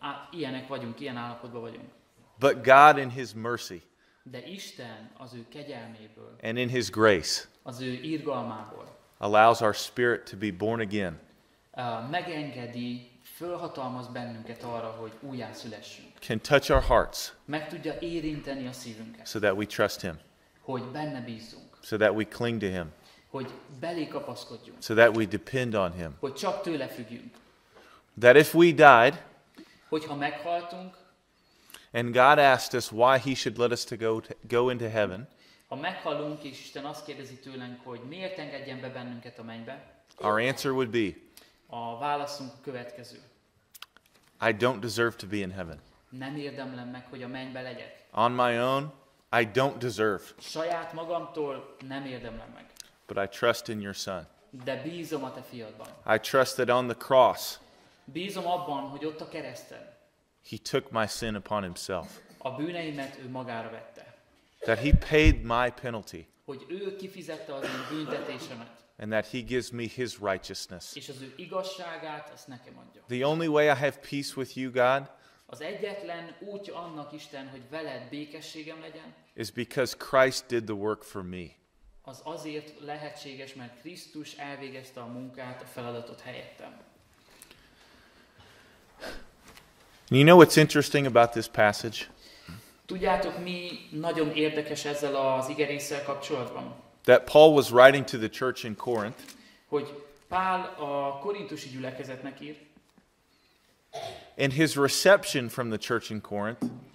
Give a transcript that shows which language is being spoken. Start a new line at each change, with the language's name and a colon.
Hungarian: Ilyenek vagyunk, ilyen állapotban vagyunk.
English: But God in his mercy.
Hungarian: De Isten az ő kegyelméből.
English: And in his grace.
Hungarian: Az ő irgalmából.
English: Allows our spirit to be born again.
Hungarian: Megengedi, fölhatalmaz bennünket arra, hogy újjá szülessünk.
English: Can touch our hearts.
Hungarian: Meg tudja érinteni a szívünket.
English: So that we trust him.
Hungarian: Hogy benne bízunk.
English: So that we cling to him.
Hungarian: Hogy belé kapaszkodjunk.
English: So that we depend on him.
Hungarian: Hogy csak tőle függjünk.
English: That if we died,
Hungarian: hogyha meghaltunk,
English: and God asked us why he should let us to go into heaven,
Hungarian: ha meghalunk, és Isten azt kérdezi tőlünk, hogy miért engedjen be bennünket a mennybe?
English: Our answer would be,
Hungarian: a válaszunk következő.
English: I don't deserve to be in heaven.
Hungarian: Nem érdemlem meg, hogy a mennybe legyek.
English: On my own, I don't deserve.
Hungarian: Saját magamtól nem érdemlem meg.
English: But I trust in your son.
Hungarian: De bízom a te fiadban.
English: I trust that on the cross,
Hungarian: bízom abban, hogy ott a kereszten,
English: he took my sin upon himself.
Hungarian: A bűneimet ő magára vette.
English: That he paid my penalty.
Hungarian: Hogy ő kifizette az én büntetésemet.
English: And that he gives me his righteousness.
Hungarian: És az ő igazságát, azt nekem adja.
English: The only way I have peace with you, God,
Hungarian: Az egyetlen útja annak, Isten, hogy veled békességem legyen.
English: Is because Christ did the work for me.
Hungarian: Az azért lehetséges, mert Krisztus elvégezte a munkát, a feladatot helyettem.
English: And you know what's interesting about this passage?
Hungarian: Tudjátok, mi nagyon érdekes ezzel az igerésszel kapcsolatban?
English: That Paul was writing to the church in Corinth.
Hungarian: Hogy Pál a korintusi gyülekezetnek ír.
English: And his reception from the church in Corinth.